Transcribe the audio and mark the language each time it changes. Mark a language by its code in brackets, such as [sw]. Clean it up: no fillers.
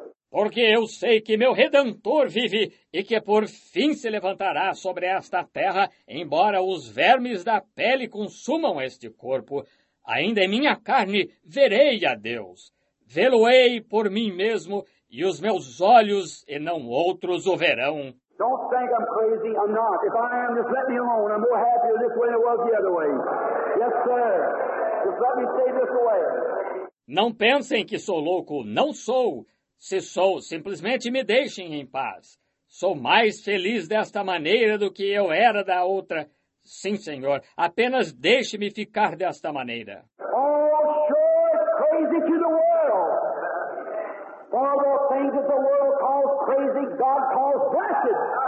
[pt] Porque eu sei que meu Redentor vive e que por fim se levantará sobre esta terra, embora os vermes da pele consumam este corpo, ainda em minha carne verei a Deus. Vê-lo-ei por mim mesmo e os meus olhos e não outros o verão. [en] Don't think I'm crazy, I'm not. If I am, just let me alone. I'm more happier this way than I was the other way. Yes, sir. Just let me stay this way. [pt] Não pensem que sou louco, não sou. Se sou, simplesmente me deixem em paz. Sou mais feliz desta maneira do que eu era da outra. Sim, senhor, apenas deixe-me ficar desta maneira. [en] Oh, sure, it's crazy to the world. All the things that the world calls crazy, God calls blessed.